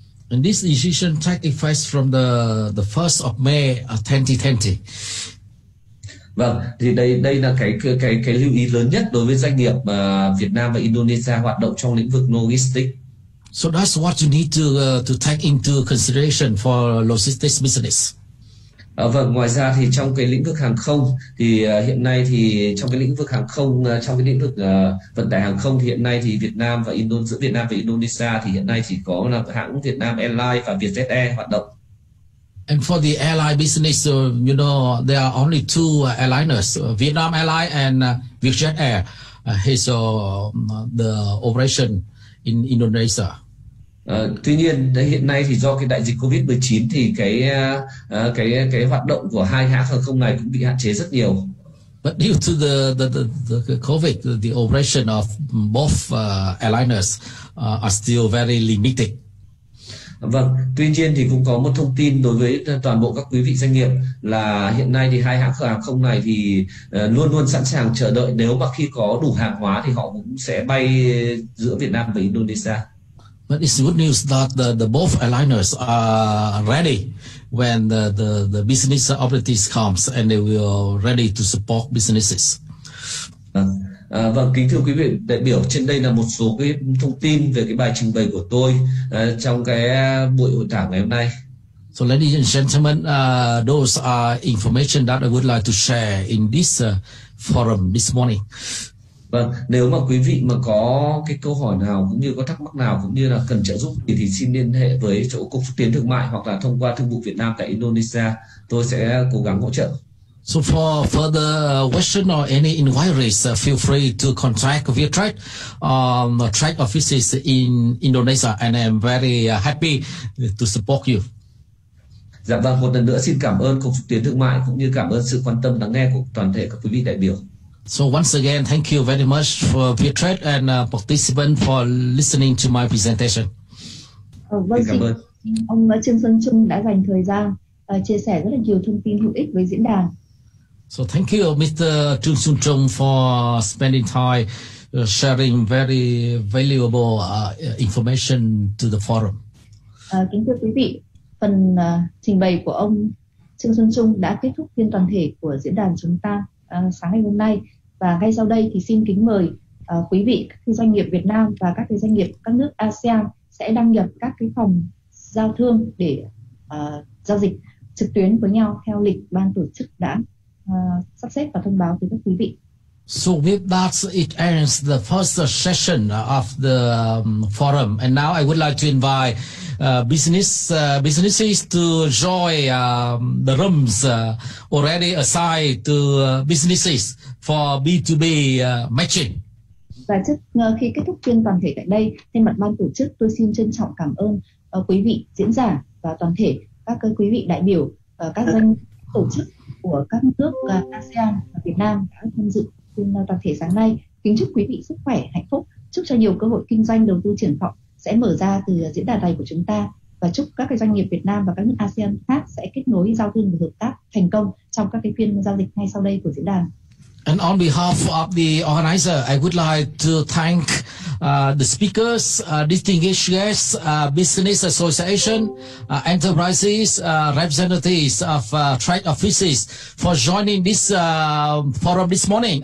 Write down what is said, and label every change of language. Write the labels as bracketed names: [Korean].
[English] And this decision takes effect from the 1st of May 2020. [Vietnamese] Vâng, thì đây là cái lưu ý lớn nhất đối với doanh nghiệp Việt Nam và Indonesia hoạt động trong lĩnh vực logistics. [English] So that's what you need to take into consideration for logistics business. [Vietnamese] Vâng, ngoài ra thì trong cái lĩnh vực hàng không thì hiện nay thì trong cái lĩnh vực hàng không trong cái lĩnh vực vận tải hàng không thì hiện nay thì Việt Nam và Indonesia thì hiện nay chỉ có là hãng Việt Nam Airlines và Vietjet Air hoạt động. [English] And for the airline business, you know, there are only two airliners, Vietnam Airlines and Vietjet Air, has the operation in Indonesia. [Vietnamese] Tuy nhiên hiện nay thì do cái đại dịch COVID-19 thì cái hoạt động của hai hãng hàng không này cũng bị hạn chế rất nhiều. [English] But due to the COVID, the operation of both airliners are still very limited. [Vietnamese] Vâng, tuy nhiên thì cũng có một thông tin đối với toàn bộ các quý vị doanh nghiệp là hiện nay thì hai hãng hàng không này thì luôn luôn sẵn sàng chờ đợi nếu mà khi có đủ hàng hóa thì họ cũng sẽ bay giữa Việt Nam và Indonesia. [English] But it's good news that the both airliners are ready when the business opportunities comes and they will ready to support businesses. [Vietnamese] Vâng, kính thưa quý vị đại biểu, trên đây là một số cái thông tin về cái bài trình bày của tôi trong cái buổi hội thảo ngày hôm nay. [English] So ladies and gentlemen, those are information that I would like to share in this forum this morning. [Vietnamese] Vâng, nếu mà quý vị mà có cái câu hỏi nào cũng như có thắc mắc nào cũng như là cần trợ giúp thì xin liên hệ với chỗ Cục Xúc Tiến Thương Mại hoặc là thông qua Thương vụ Việt Nam tại Indonesia, tôi sẽ cố gắng hỗ trợ. [English] So for further question or any inquiries, feel free to contact Vietrade Trade offices in Indonesia, and I'm very happy to support you. [Vietnamese] Dạ vâng, một lần nữa xin cảm ơn Cục Xúc Tiến Thương Mại cũng như cảm ơn sự quan tâm lắng nghe của toàn thể các quý vị đại biểu. [English] So once again, thank you very much for Vietrade and participant for listening to my presentation. [Vietnamese] Vâng, xin cảm ơn. Ông Trương Xuân Trung đã dành thời gian chia sẻ rất là nhiều thông tin hữu ích với diễn đàn. [English] So thank you, Mr. Trương Xuân Trung, for spending time sharing very valuable information to the forum. [Vietnamese] Kính thưa quý vị, phần trình bày của ông Trương Xuân Trung đã kết thúc phiên toàn thể của diễn đàn chúng ta sáng ngày hôm nay. Và ngay sau đây thì xin kính mời quý vị, các doanh nghiệp Việt Nam và các doanh nghiệp các nước ASEAN sẽ đăng nhập các cái phòng giao thương để giao dịch trực tuyến với nhau theo lịch ban tổ chức đã sắp xếp và thông báo với các quý vị. [English] So with that, it ends the first session of the forum. And now I would like to invite businesses to join the rooms already assigned to businesses for B2B matching. [Vietnamese] Và trước khi kết thúc phiên toàn thể tại đây, thay mặt ban tổ chức, tôi xin trân trọng cảm ơn quý vị diễn giả và toàn thể các quý vị đại biểu, các doanh tổ chức của các nước ASEAN và Việt Nam đã tham dự phiên toàn thể sáng nay. Kính chúc quý vị sức khỏe, hạnh phúc, chúc cho nhiều cơ hội kinh doanh đầu tư triển vọng sẽ mở ra từ diễn đàn này của chúng ta và chúc các doanh nghiệp Việt Nam và các nước ASEAN khác sẽ kết nối giao thương và hợp tác thành công trong các phiên giao dịch ngay sau đây của diễn đàn. [English] And on behalf of the organizer, I would like to thank the speakers, distinguished guests, business association, enterprises, representatives of trade offices for joining this forum this morning.